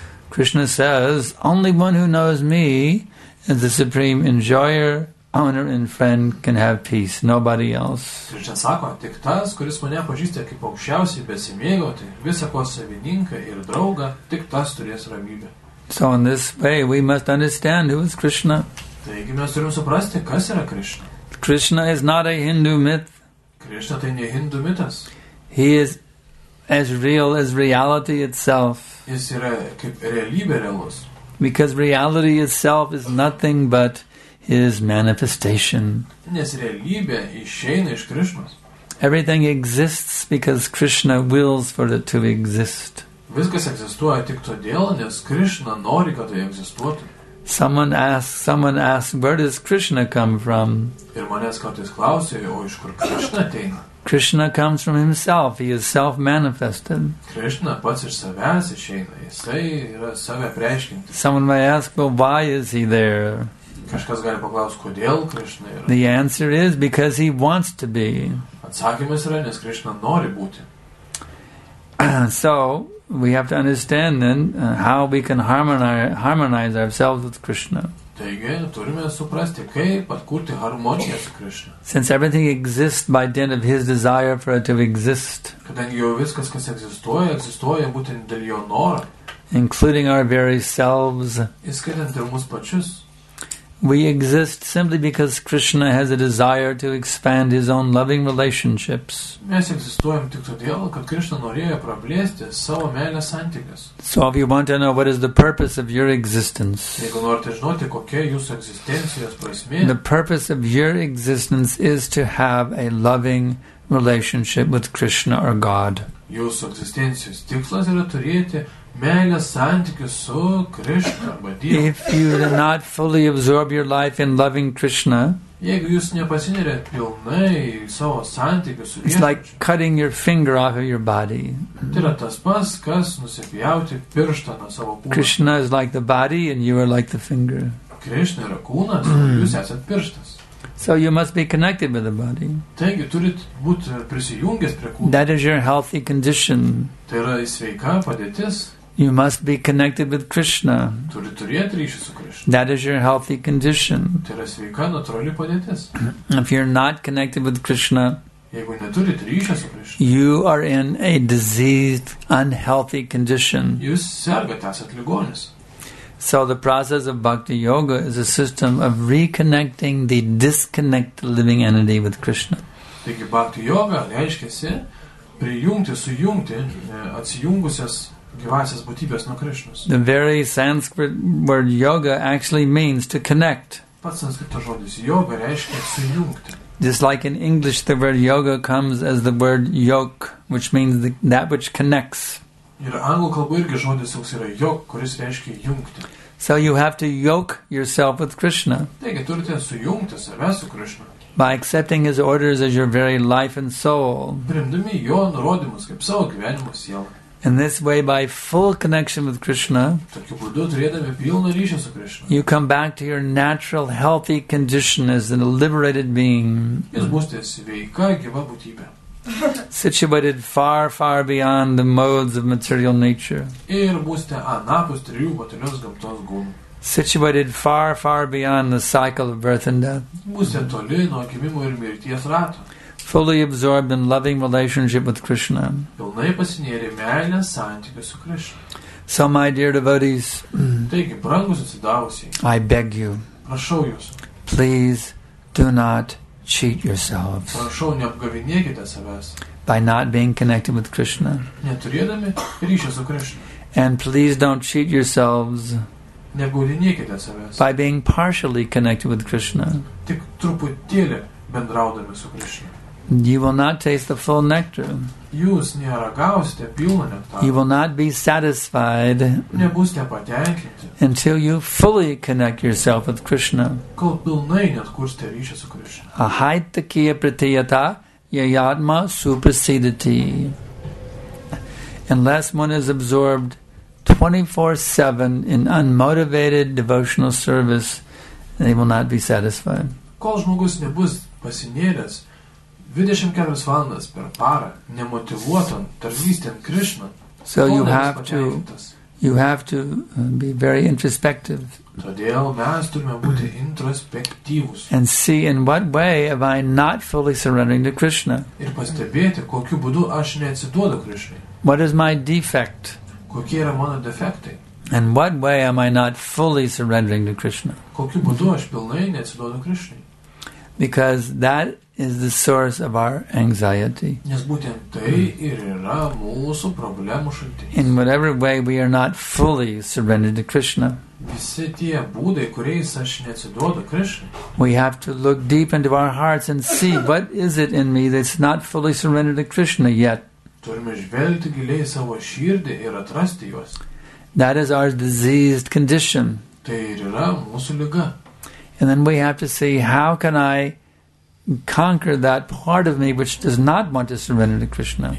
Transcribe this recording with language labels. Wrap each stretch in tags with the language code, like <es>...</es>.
<en>Krishna says, only one who knows me is the supreme enjoyer, owner and friend can have peace, nobody else.</en> <lt>Ir čia sako, tik tas, kuris mane pažįsta kaip aukščiausiai besimėgauti, visą ko savininką ir draugą, tik tas turės ramybę.</lt> <en>So in this way we must understand who is Krishna.</en> <lt>Taigi mes turim suprasti, kas yra Krishna.</lt> <en>Krishna is not a Hindu myth.</en> <lt>Krishna tai ne Hindu mitas.</lt> <en>He is as real as reality itself.</en> <lt>Jis yra kaip realybė realus.</lt> <en>Because reality itself is nothing but his manifestation.</en> <lt>Nes realybė išeina iš Krishnos.</lt> <en>Everything exists because Krishna wills for it to exist.</en> <lt>Viskas egzistuoja tik todėl, nes Krishna nori, kad tai egzistuotų.</lt> <en>Someone asks, where does Krishna come from?</en> <lt>Ir manęs kartais klausė, o iš kur Krishna ateina?</lt> <en>Krishna comes from himself, he is self-manifested.</en> <lt>Krishna pats iš savęs išeina, jisai yra save apreiškinti.</lt> <en>Someone may ask, well, why is he there?</en> <lt>Kažkas gali paklausti, kodėl Krishna yra.</lt> <en>The answer is, because he wants to be.</en> <lt>Atsakymas yra, nes Krishna nori būti.</lt> <en>So, we have to understand then how we can harmonize ourselves with Krishna.</en> <lt>Taigi, turime suprasti, kaip atkurti harmoniją su Krishna.</lt> <en>Since everything exists by dint of his desire for it to exist.</en> <lt>Kadangi jau viskas, kas egzistuoja, egzistuoja būtent dėl jo noro.</lt> <en>Including our very selves.</en> <lt>Įskaitant ir mūsų pačius.</lt> <en>We exist simply because Krishna has a desire to expand his own loving relationships.</en> <lt>Mes egzistuojam tik todėl, kad Krishna norėjo praplėsti savo meilės santykius.</lt> <en>So if you want to know what is the purpose of your existence,</en> <lt>jeigu norite žinoti, kokia jūsų egzistencijos prasmė,</lt> <en>the purpose of your existence is to have a loving relationship with Krishna or God.</en> <lt>Jūsų egzistencijos tikslas yra turėti meilės santykius su Krishna arba Dievu.</lt> <en>If you do not fully absorb your life in loving Krishna,</en> <lt>jeigu jūs nepasineriat pilnai savo santykius su Dievu,</lt> <en>it's like cutting your finger off of your body.</en> <lt>Tai yra tas pas, kas nusipjauti pirštą nuo savo kūno.</lt> <en>Krishna is like the body and you are like the finger.</en> <lt>Krishna yra kūnas, jūs esat pirštas.</lt> <en>So you must be connected with the body.</en> <lt>Taigi, turit būt prisijungęs prie kūno.</lt> <en>That is your healthy condition.</en> <lt>Tai yra sveika padėtis.</lt> <en>You must be connected with Krishna.</en> <lt>Turit turėti ryšį su Krishna.</lt> <en>That is your healthy condition.</en> <lt>Tai yra sveika, natūrali padėtis.</lt> <en>If you're not connected with Krishna,</en> <lt>jeigu neturit ryšio su Krishna,</lt> <en>you are in a diseased, unhealthy condition.</en> <lt>Jūs sergat, esat ligonis.</lt> <en>So the process of bhakti yoga is a system of reconnecting the disconnected living entity with Krishna.</en> <lt>Taigi bhakti yoga reiškiasi prijungti, sujungti atsijungusias gyvasias būtybės nuo Krishnos.</lt> <en>The very Sanskrit word yoga actually means to connect.</en> <lt>Pats sanskrito žodis yoga reiškia sujungti.</lt> <en>Just like in English the word yoga comes as the word yoke, which means that which connects.</en> <lt>Ir anglų kalbų irgi žodis toks yra yok, kuris reiškia jungti.</lt> <en>So you have to yoke yourself with Krishna.</en> <lt>Taigi turite sujungti save su Krishna.</lt> <en>By accepting his orders as your very life and soul.</en> <lt>Priimdami jo nurodymus kaip savo gyvenimo sielą.</lt> <en>In this way, by full connection with Krishna,</en> <lt>tokiu būdu turėdami pilną ryšį su Krishna,</lt> <en>you come back to your natural, healthy condition as a liberated being.</en> <lt>Jūs būsite sveika, gyva būtybė.</lt> <en>Situated far, far beyond the modes of material nature.</en> <lt>Ir būste anapus trijų materialios gamtos gūnų.</lt> <en>Situated far, far beyond the cycle of birth and death.</en> <lt>Būste toli nuo gimimo ir mirties rato.</lt> <en>Fully absorbed in loving relationship with Krishna.</en> <lt>Pilnai pasinėrė meilės santykius su Krishna.</lt> <en>So, my dear devotees,</en> <lt>taigi, brangus atsidavusiai,</lt> <en>I beg you,</en> <lt>prašau jūs,</lt> <en>please do not cheat yourselves.</en> <lt>Prašau, neapgavinėkite savęs.</lt> <en>By not being connected with Krishna.</en> <lt>Neturėdami ryšio su Krishna.</lt> <en>And please don't cheat yourselves.</en> <lt>Neapgavinėkite savęs.</lt> <en>By being partially connected with Krishna.</en> <lt>Tik truputėlį bendraudami su Krishna.</lt> <en>You will not taste the full nectar.</en> <lt>Jūs neragausite pilno nektaro.</lt> <en>You will not be satisfied.</en> <lt>Nebūsite patenkinti.</lt> <en>Until you fully connect yourself with Krishna.</en> <lt>Kol pilnai neatkursite ryšį su Krishna.</lt> <sa>Ahaitakiya pratiyata yayatma supersedati.</sa> <en>Unless one is absorbed 24/7 in unmotivated devotional service, they will not be satisfied.</en> <lt>Kol žmogus nebus pasinėręs 24 valandas per parą nemotivuotam tarnystėm Krishna.</lt> <en>So you have to you have to be very introspective.</en> <lt>Todėl mes turime būti introspektyvus.</lt> <en>And see in what way am I not fully surrendering to Krishna.</en> <lt>Ir pastebėti, kokiu būdu aš neatsiduodu Krishnai.</lt> <en>What is my defect?</en> <lt>Kokie yra mano defektai?</lt> <en>And what way am I not fully surrendering to Krishna?</en> <lt>Kokiu būdu aš pilnai neatsiduodu Krishnai?</lt> <en>Because that is the source of our anxiety.</en> <lt>Nes būtent tai ir yra mūsų problemų šaltinis.</lt> <en>In whatever way we are not fully surrendered to Krishna.</en> <lt>Visi tie būdai, kuriais aš neatsiduodu Krishna.</lt> <en>We have to look deep into our hearts and see what is it in me that's not fully surrendered to Krishna yet.</en> <lt>Turime žvelgti giliai savo širdį ir atrasti juos.</lt> <en>That is our diseased condition.</en> <lt>Tai ir yra mūsų liga.</lt> <en>And then we have to see how can I conquer that part of me which does not want to surrender to Krishna.</en>